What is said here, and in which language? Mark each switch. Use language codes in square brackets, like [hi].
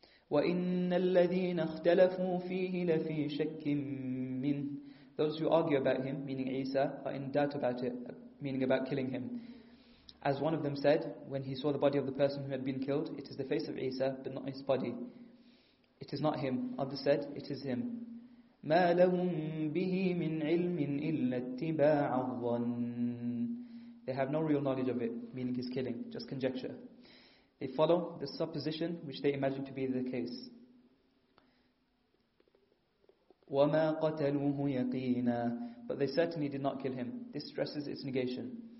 [ar] وَإِنَّ الَّذِينَ اخْتَلَفُوا فِيهِ لَفِي شَكٍ مِّنْ. [en] Those who argue about him, meaning Isa, are in doubt about it, meaning about killing him. As one of them said, when he saw the body of the person who had been killed, it is the face of Isa, but not his body. It is not him. Others said, it is him. [ar] ما لهم به من علم إلا اتباع الظن. [en] They have no real knowledge of it, meaning his killing, just conjecture. They follow the supposition which they imagine to be the case. [ar] وما قتلوه يقينا. [en] But they certainly did not kill him. This stresses its negation.